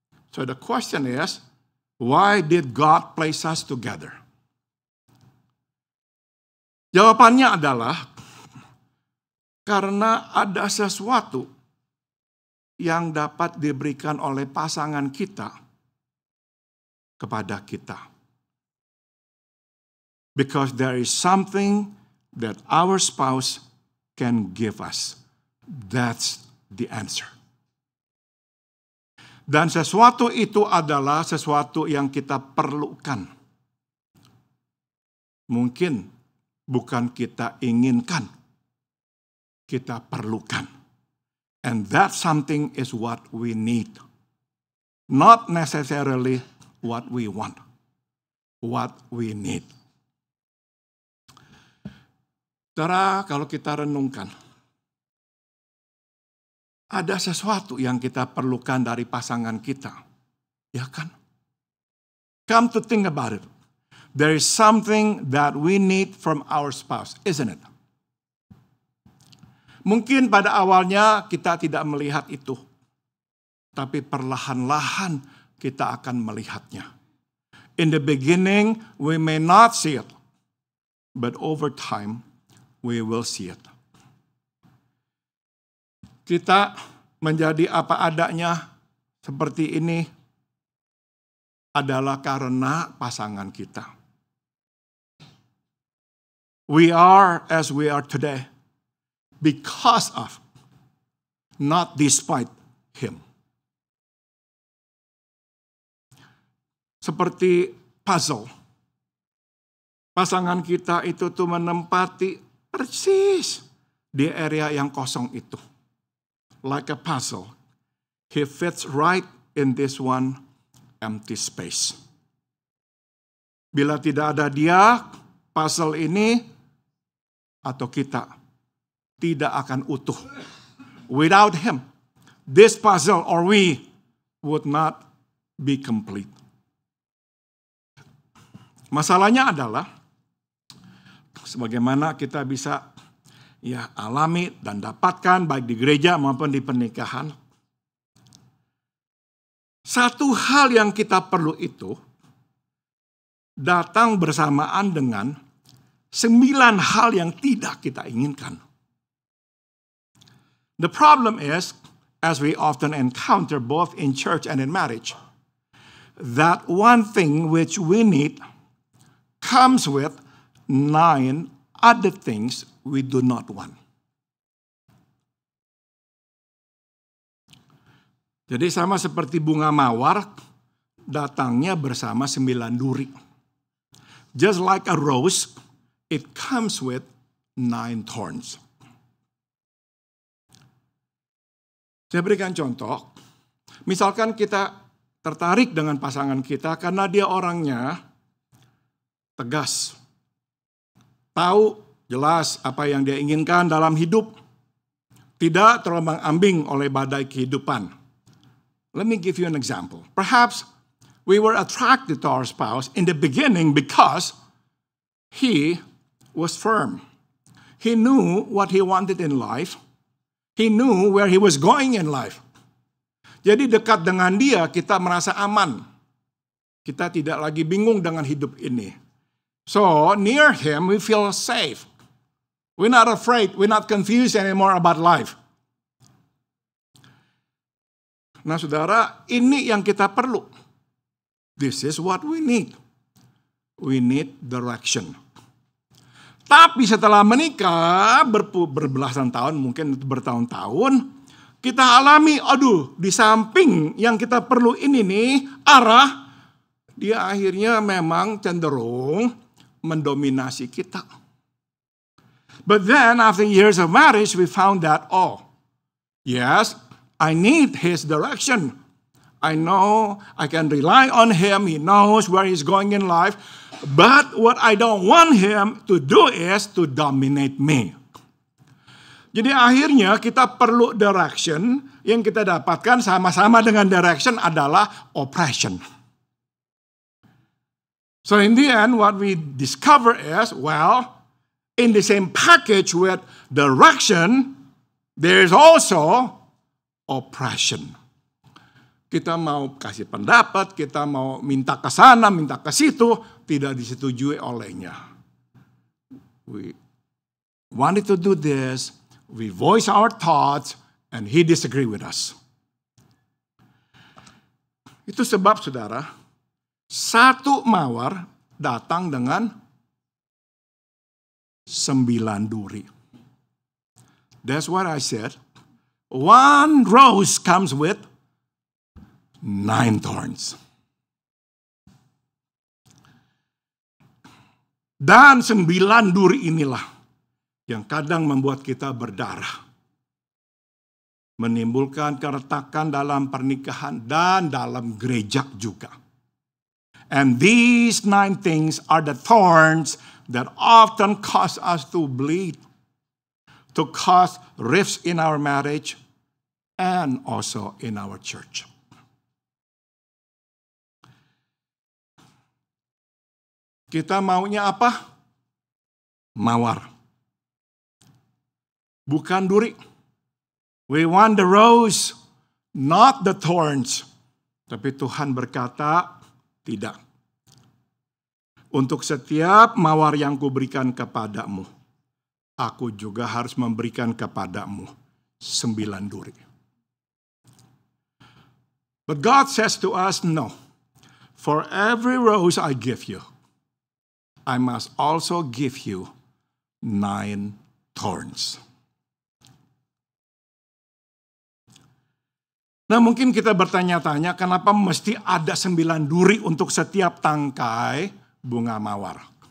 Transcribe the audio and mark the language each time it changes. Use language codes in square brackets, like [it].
[en] So the question is, why did God place us together? [id] Jawabannya adalah, karena ada sesuatu yang dapat diberikan oleh pasangan kita kepada kita. [en] Because there is something that our spouse can give us. That's the answer. [id] Dan sesuatu itu adalah sesuatu yang kita perlukan. Mungkin bukan kita inginkan, kita perlukan. [en] And that something is what we need. Not necessarily what we want, what we need. [id] Saudara, kalau kita renungkan, ada sesuatu yang kita perlukan dari pasangan kita, ya kan? [en] Come to think about it. There is something that we need from our spouse, isn't it? [id] Mungkin pada awalnya kita tidak melihat itu, tapi perlahan-lahan kita akan melihatnya. [en] In the beginning, we may not see it, but over time, we will see it. [id] Kita menjadi apa adanya seperti ini adalah karena pasangan kita. [en] We are as we are today because of, not despite him. [id] Seperti puzzle, pasangan kita itu tuh menempati persis di area yang kosong itu. [en] Like a puzzle, he fits right in this one empty space. [id] Bila tidak ada dia, puzzle ini atau kita tidak akan utuh. [en] Without him, this puzzle or we would not be complete. [id] Masalahnya adalah, sebagaimana kita bisa ya alami dan dapatkan baik di gereja maupun di pernikahan, satu hal yang kita perlu itu datang bersamaan dengan 9 hal yang tidak kita inginkan. [en] The problem is, as we often encounter both in church and in marriage, that one thing which we need comes with 9 other things we do not want. [id] Jadi sama seperti bunga mawar, datangnya bersama 9 duri. [en] Just like a rose, it comes with 9 thorns. [id] Saya berikan contoh. Misalkan kita tertarik dengan pasangan kita karena dia orangnya tegas. Tahu jelas apa yang dia inginkan dalam hidup. Tidak terombang-ambing oleh badai kehidupan. [en] Let me give you an example. Perhaps we were attracted to our spouse in the beginning because he was firm. He knew what he wanted in life. He knew where he was going in life. [id] Jadi dekat dengan dia, kita merasa aman. Kita tidak lagi bingung dengan hidup ini. [en] So, near him, we feel safe. We're not afraid. We're not confused anymore about life. [id] Nah, saudara, ini yang kita perlu. [en] This is what we need. We need direction. [id] Tapi setelah menikah berbelasan tahun, mungkin bertahun-tahun, kita alami, aduh, di samping yang kita perlu ini nih, arah, dia akhirnya memang cenderung mendominasi kita. [en] But then after years of marriage, we found that, oh, yes, I need his direction. I know I can rely on him. He knows where he's going in life. But what I don't want him to do is to dominate me. [id] Jadi akhirnya kita perlu direction. Yang kita dapatkan sama-sama dengan direction adalah oppression. [en] So in the end, what we discover is, well, in the same package with direction, there is also oppression. [id] Kita mau kasih pendapat, kita mau minta ke sana, minta ke situ, tidak disetujui olehnya. [en] We wanted to do this, we voice our thoughts, and he disagree with us. [id] Itu sebab, saudara, satu mawar datang dengan 9 duri. [en] That's what I said. One rose comes with 9 thorns. [id] Dan 9 duri inilah yang kadang membuat kita berdarah, menimbulkan keretakan dalam pernikahan dan dalam gereja juga. [en] And these 9 things are the thorns that often cause us to bleed, to cause rifts in our marriage and also in our church. [id] Kita maunya apa? Mawar. Bukan duri. [en] We want the rose, not the thorns. [id] Tapi Tuhan berkata, tidak. Untuk setiap mawar yang kuberikan kepadamu, aku juga harus memberikan kepadamu 9 duri. [en] But God says to us, no. For every rose I give you, I must also give you 9 thorns. [id] Nah, mungkin kita bertanya-tanya, kenapa mesti ada 9 duri untuk setiap tangkai bunga mawar?